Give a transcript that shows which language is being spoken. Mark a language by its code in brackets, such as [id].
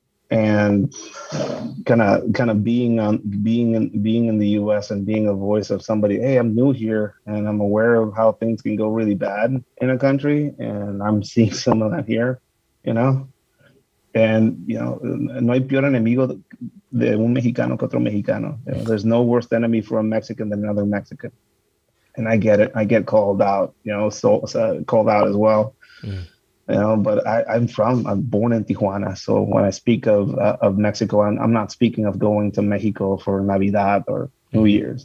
[en] And kind of being in the U.S. and being a voice of somebody, hey, I'm new here and I'm aware of how things can go really bad in a country. And I'm seeing some of that here, you know. And, you know, [es] no hay peor enemigo de un mexicano que otro mexicano. [en] You know, there's no worse enemy for a Mexican than another Mexican. And I get it. I get called out, you know, called out as well. Mm. You know, but I'm born in Tijuana. So when I speak of Mexico, I'm not speaking of going to Mexico for Navidad or New Year's.